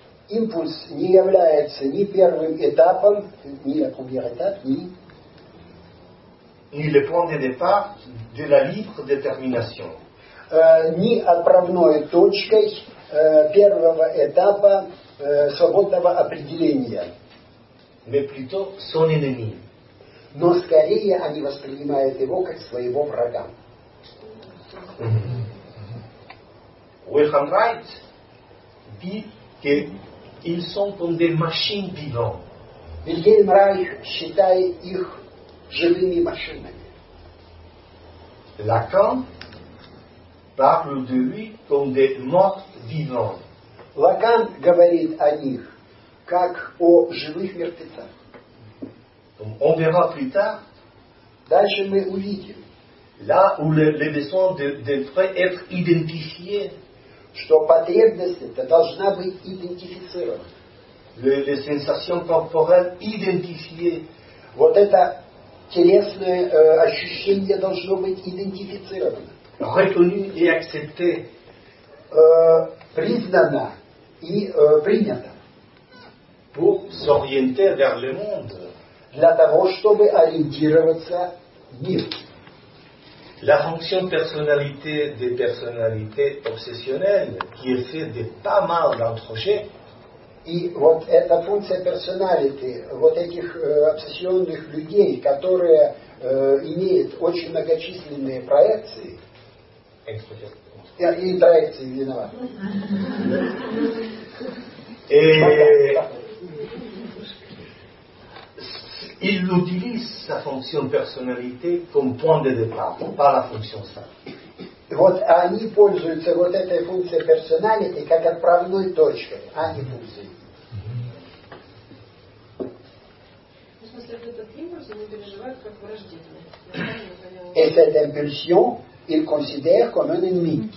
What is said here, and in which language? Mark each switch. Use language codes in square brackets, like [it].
[ru] Импульс не является ни первым этапом, ни [fr] la première étape, ni ni le point de départ de la libre détermination. [ru] Ни отправной точкой первого этапа свободного определения. [fr] Mais plutôt son ennemi. [ru] Но скорее они воспринимают его как своего врага. [fr] Wilhelm Reich dit que ils sont comme des machines vivantes. [ru] Wilhelm Reich считает их живыми машинами. [fr] Lacan parle de lui comme des morts vivants. [ru] Lacan говорит о них как о живых мертвецах. [fr] On verra plus tard. [ru] Дальше мы увидим. [fr] Là où les besoins devraient être identifiés. [ru] Что потребность эта должна быть идентифицирована. [fr] Les sensations corporelles identifiées. [ru] Вот это телесное ощущение должно быть идентифицировано. [fr] Reconnu et accepté. [ru] Признано и принято. [fr] Pour s'orienter vers le monde. [ru] Для того, чтобы ориентироваться в мир. [fr] La fonction personnalité des personnalités obsessionnelles, qui est faite de pas mal d'entrejets. [ru] И вот эта функция personnalité, вот этих обсессионных людей, которые имеют очень многочисленные проекции. Экспрессионные. И проекции, виноват. Эээ... [fr] il utilise sa fonction de personnalité comme point de départ, pas la fonction sainte. [ru] Вот они пользуются вот этой функцией personality как отправной точкой, а не функцией. В смысле, этот импульс, они переживают как враждебный. Эта импульсион, [fr] il considère comme un ennemi.